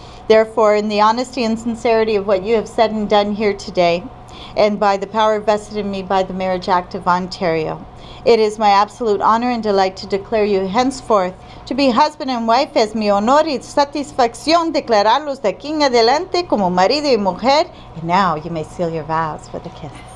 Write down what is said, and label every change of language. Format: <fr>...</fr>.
<en>Therefore, in the honesty and sincerity of what you have said and done here today, and by the power vested in me by the Marriage Act of Ontario, it is my absolute honor and delight to declare you henceforth to be husband and wife.</en> <es>Es mi honor y satisfacción declararlos de aquí en adelante como marido y mujer.</es> <en>And now you may seal your vows with a kiss.</en>